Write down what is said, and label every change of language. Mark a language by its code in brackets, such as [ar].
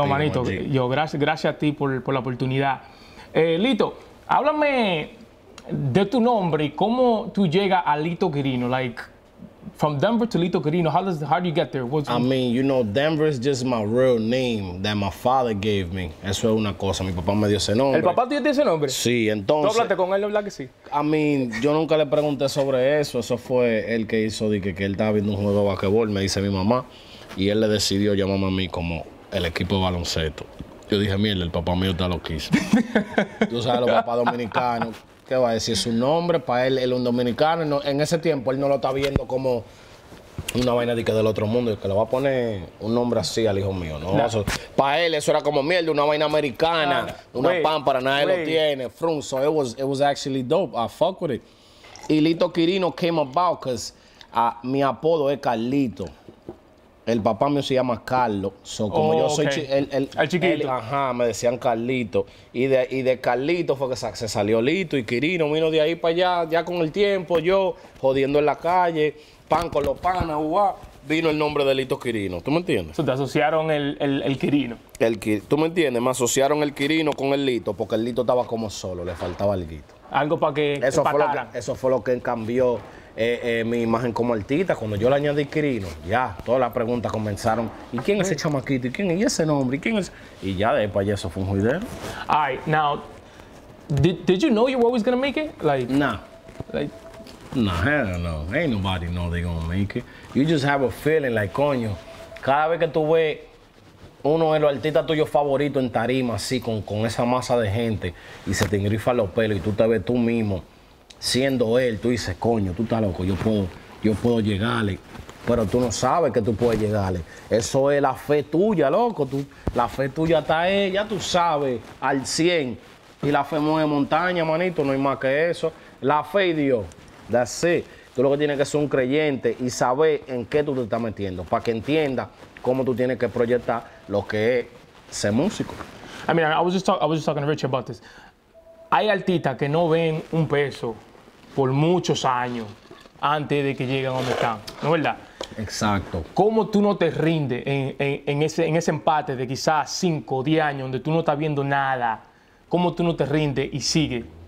[es] No, manito, yo, gracias a ti por la oportunidad. Lito, háblame de tu nombre y cómo tú llegas a Lito Kirino. [en] Like, from Denver to Lito Kirino, how do you get there? Denver is just my real name that my father gave me. [es] Eso es una cosa. Mi papá me dio ese nombre. ¿El papá te dio ese nombre? Sí, entonces. ¿Tú hablaste con él, verdad que sí? Yo nunca le pregunté sobre eso. Eso fue el que hizo que él estaba viendo un juego de basquetbol, me dice mi mamá. Y él le decidió llamarme a mí como el equipo de baloncesto. Yo dije, mierda, el papá mío está loquísimo. Tú sabes, los papás dominicanos, ¿qué va a decir? Su nombre, para él, él es un dominicano. No, en ese tiempo, él no lo está viendo como una vaina de que del otro mundo. Que le va a poner un nombre así al hijo mío, ¿no? Nah. Para él, eso era como, mierda, una vaina americana. Nah. Una pámpara, nadie lo tiene. [en] Frun, so it was actually dope. I fuck with it. [es] Y Lito Kirino [en] came about, because [es] mi apodo es Carlito. El papá mío se llama Carlos. So, como yo soy el chiquito. Me decían Carlito. Y de Carlito fue que se salió Lito y Kirino. Vino de ahí para allá, ya con el tiempo, yo jodiendo en la calle, pan con los panas, vino el nombre de Lito Kirino. ¿Tú me entiendes? So, te asociaron el Kirino. ¿Tú me entiendes? Me asociaron el Kirino con el Lito, porque el Lito estaba como solo, le faltaba algo. Algo para que eso fue lo que, eso fue lo que cambió. Mi imagen como artista, cuando yo le añadí Kirino, ya todas las preguntas comenzaron. ¿Y quién es ese chamaquito? ¿Y quién es ese nombre? ¿Y quién es? Y ya de ahí para allá eso fue un juidero. [en] All right, now, did you know you were always gonna make it? Like, Nah, hell no. Ain't nobody know they gonna make it. You just have a feeling, like, [es] coño, cada vez que tú ves uno de los artistas tuyos favoritos en tarima, así, con esa masa de gente, y se te engrifan los pelos, y tú te ves tú mismo siendo él, tú dices, coño, tú estás loco, yo puedo llegarle, pero tú no sabes que tú puedes llegarle. Eso es la fe tuya, loco. La fe tuya está ahí, ya tú sabes, al 100. Y la fe mueve montaña, manito, no hay más que eso. La fe y Dios, [en] that's it. [es] Tú lo que tienes que ser un creyente y saber en qué tú te estás metiendo, para que entiendas cómo tú tienes que proyectar lo que es ser músico. [en] I was just talking to Richard about this. [es] Hay artistas que no ven un peso por muchos años antes de que lleguen a donde están, ¿no es verdad? Exacto. ¿Cómo tú no te rindes en ese empate de quizás 5 o 10 años donde tú no estás viendo nada? ¿Cómo tú no te rindes y sigues?